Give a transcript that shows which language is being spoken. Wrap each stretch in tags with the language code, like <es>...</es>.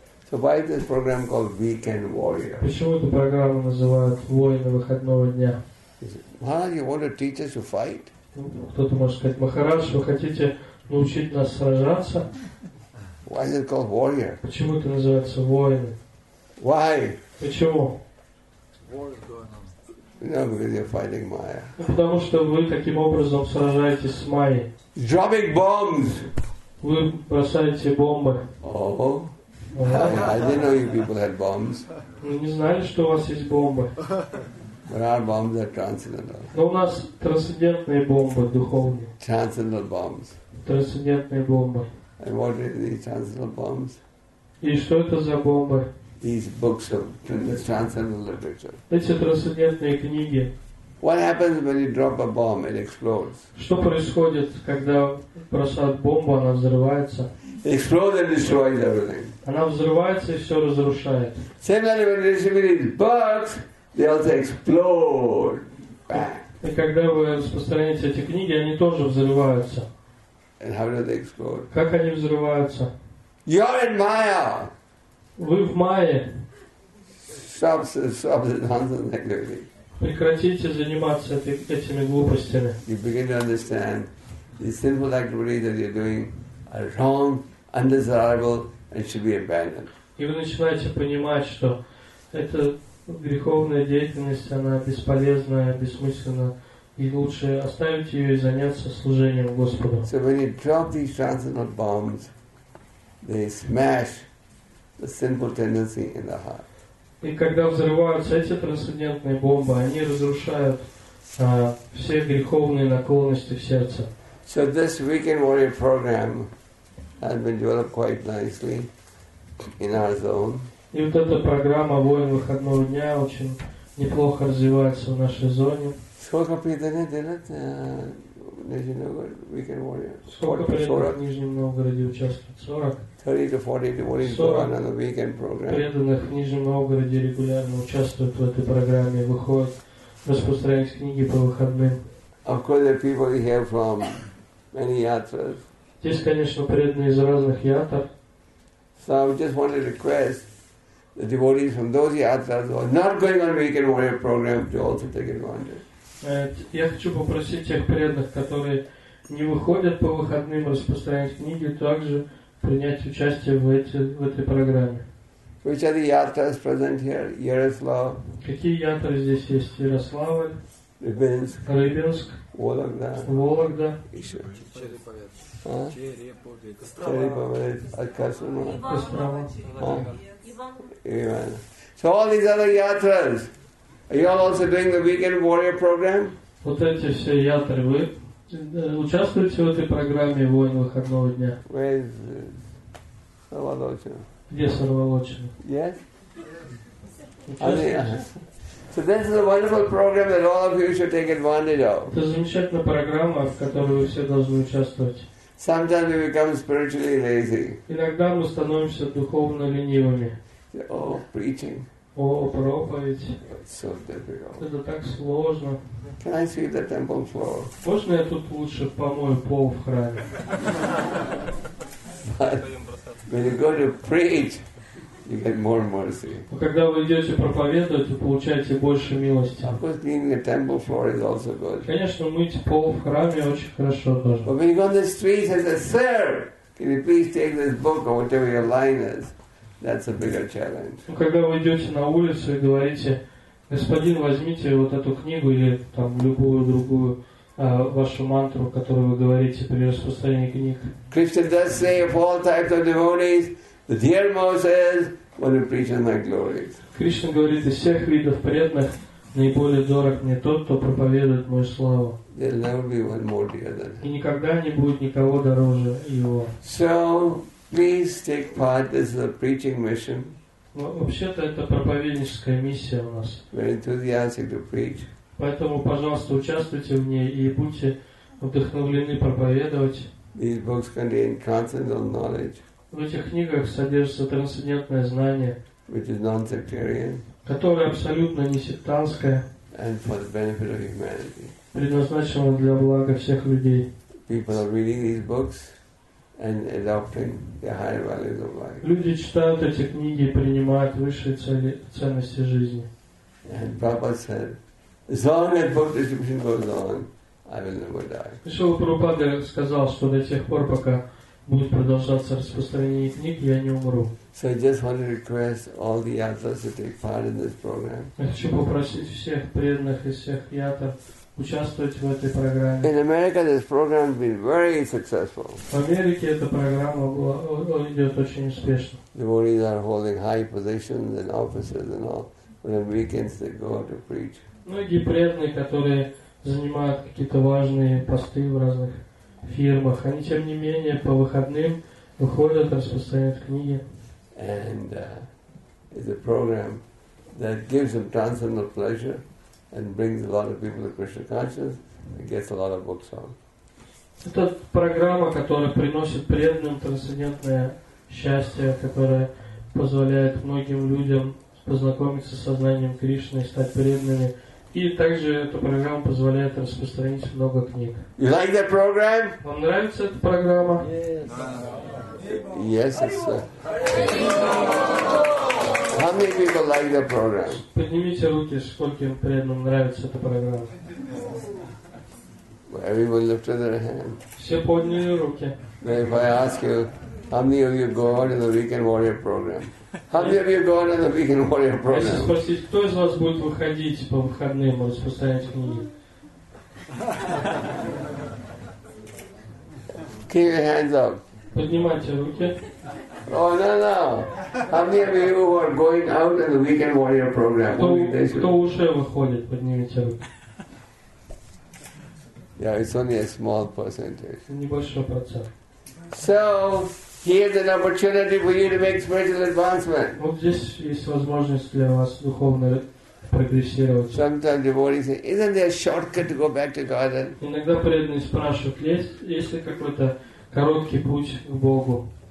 <en>So why is this program called Weekend Warrior?</en> <ru>Почему эту программу называют «Воины выходного дня»?</ru> <en>Well, you want to teach us to fight?</en> <ru>Кто-то может сказать, Махарадж, вы хотите научить нас сражаться?</ru> <en>Why is it called warrior?</en> <ru>Почему это называется воины?</ru> <en>Why?</en> <ru>Почему?</ru> <en>No, because you're fighting Maya.</en> <ru>Потому что вы таким образом сражаетесь с Майей.</ru> <en>Dropping bombs.</en> <ru>Вы бросаете бомбы.</ru> <en>Oh. I didn't know you people had bombs.</en> <ru>Вы не знали, что у вас есть бомбы.</ru> <en>But our bombs are transcendental.</en> <ru>Но у нас трансцендентные бомбы духовные.</ru> <en>Transcendental bombs.</en> <ru>Трансцендентные бомбы.</ru> <en>And what are these transcendental bombs?</en> <ru>И что это за бомбы?</ru> <en>These books of transcendental literature.</en> <ru>Эти трансцендентные книги.</ru> <en>What happens when you drop a bomb? It explodes.</en> <ru>Что происходит, когда бросают бомбу, она взрывается?</ru> <en>It explodes and destroys everything.</en> <ru>Она взрывается и все разрушает.</ru> <en>Similarly, when you receive these books, they also explode.</en> <ru>И когда вы распространяете эти книги, они тоже взрываются.</ru> <en>And how do they explode?</en> <ru>Как они взрываются?</ru> <en>You're in Maya.</en> <ru>Вы в Майе.</ru> <en>Stop the nonsense activity.</en> <ru>Прекратите заниматься этими глупостями.</ru> <en>You begin to understand the sinful activity that you're doing are wrong, undesirable, and should be abandoned.</en> <ru>И вы начинаете понимать, что эта греховная деятельность, она бесполезная, бессмысленна, и лучше оставить ее и заняться служением Господу.</ru> <en>So when you drop these transcendental bombs, they smash the sinful tendency in the heart.</en> <ru>И когда взрываются эти трансцендентные бомбы, они разрушают все греховные наклонности в сердце.</ru> <en>So this Weekend Warrior program has been developed quite nicely in our zone.</en> <ru>И вот эта программа «Воин выходного дня» очень неплохо развивается в нашей зоне. Сколько преданных делает в Нижнем Новгороде Weekend Warrior? Сколько преданных в Нижнем Новгороде участвует? 40?</ru> <en>30-40 devotees go on the weekend program.</en> <ru>Преданных в Нижнем Новгороде регулярно участвуют в этой программе, выходят, распространяют книги по выходным.</ru> <en>Of course, there are people here from many yatras.</en> <ru>Здесь, конечно, преданные из разных ятр.</ru> <en>So I just wanted to request the devotees from those yatras who are not going on Weekend Warrior program to also take advantage.</en> <ru>Я хочу попросить тех преданных, которые не выходят по выходным распространять книги, также принять участие в этой программе.</ru> <en>Which are the yatras present here? Ярослав.</en> <ru>Какие ятры здесь есть? Ярославль. Рыбинск. Рыбинск. Вологда. Вологда. Еще. Череповец. Череповец.</ru> <en>So all these other yatras, are you all also doing the weekend warrior program?</en> <ru>Вот эти все ятры, вы участвуете в этой программе «Воин выходного дня»?</ru> <en>Where is Сарвалочина?</en> <ru>Где Сарвалочина?</ru> <en>Yes? So this is a wonderful program that all of you should take advantage of.</en> <ru>Это замечательная программа, в которой вы все должны участвовать.</ru> <en>Sometimes we become spiritually lazy.</en> <ru>Иногда мы становимся духовно ленивыми.</ru> <en>Oh, preaching.</en> <ru>О, проповедь.</ru> <en>It's so difficult.</en> <ru>Это так сложно.</ru> <en>Can I see the temple floor?</en> <ru>Можно я тут лучше помою пол в храме?</ru> <en>But when you go to preach, you get more mercy.</en> <ru>Когда вы идете проповедовать, вы получаете больше милости.</ru> <en>Of course, cleaning the temple floor is also good.</en> <ru>Конечно, мыть пол в храме очень хорошо тоже.</ru> <en>But when you go on the street and say, "Sir, can you please take this book or whatever your line is?" That's a bigger challenge.</en> <ru>Ну когда вы идете на улицу и говорите, господин, возьмите вот эту книгу или там любую другую вашу мантру, которую вы говорите при распространении книг.</ru> <en>Krishna does say of all types of devotees, the dear Moses, when he preaches my glories.</en> <ru>Krishna говорит, из всех видов преданных наиболее дорог мне тот, кто проповедует мою славу.</ru> <en>There'll never be one more dear than him.</en> <ru>И никогда не будет никого дороже его.</ru> <en>So. Please take part. This is a preaching mission.</en> <ru>Вообще-то это проповедническая миссия у нас.</ru> <en>Very enthusiastic to preach.</en> <ru>Поэтому, пожалуйста, участвуйте в ней и будьте вдохновлены проповедовать.</ru> <en>These books contain transcendental knowledge.</en> <ru>В этих книгах содержится трансцендентное знание,</ru> <en>which is non-sectarian,</en> <ru>которое абсолютно не сектантское,</ru> <en>and for the benefit of humanity,</en> <ru>предназначено для блага всех людей.</ru> <en>People are reading these books and adopting the higher values of life.</en> <ru>Люди читают эти книги и принимают высшие цели, ценности жизни.</ru> <en>And Prabhupada said, as long as book distribution goes on, I will never die.</en> <ru>И Шрила Прабхупада сказал, что до тех пор, пока будет продолжаться распространение книг, я не умру.</ru> <en>So I just want to request all the yatras to take part in this program.</en> <ru>Я хочу попросить всех преданных из всех ятр участвовать в этой программе.</ru> <en>In America, this program has been very successful.</en> <ru>В Америке эта программа идет очень успешно.</ru> <en>Devotees are holding high positions and offices and all. But on weekends they go out to preach.</en> <ru>Многие преданные, которые занимают какие-то важные посты в разных фирмах, они тем не менее по выходным выходят и распространяют книги.</ru> <en>And it's a program that gives them transcendental pleasure and brings a lot of people to Krishna consciousness and gets a lot of books on.</en> <ru>Это программа, которая приносит преданным трансцендентное счастье, которая позволяет многим людям познакомиться с сознанием Кришны и стать преданными. И также эта программа позволяет распространить много книг.</ru> <en>You like that program?</en> <ru>Вам нравится эта программа?</ru> <en>Yes. Yes, it's. How many people like the program?</en> <ru>Поднимите руки, скольким преданным нравится эта программа.</ru> <en>Well, everyone lifted their hand.</en> <ru>Все подняли руки.</ru> <en>Now if I ask you, how many of you go out in the Weekend Warrior program? How many of you go out in the Weekend Warrior program?</en> <ru>Если спросить, кто из вас будет выходить по выходным, может, постоять книги?</ru> <en>Keep your hands up.</en> <ru>Поднимайте руки.</ru> <en>Oh, no, no. How many of you who are going out in the Weekend Warrior program?</en> <ru>Кто уже выходит, поднимите руки.</ru> <en>Yeah, it's only a small percentage.</en> <ru>Небольшой процент.</ru> <en>So, here's an opportunity for you to make spiritual advancement.</en> <ru>Вот здесь есть возможность для вас духовно прогрессировать.</ru> <en>Sometimes devotees say, isn't there a shortcut to go back to garden?</en> <ru>Иногда преданные спрашивают, есть ли какой-то короткий путь к Богу?</ru>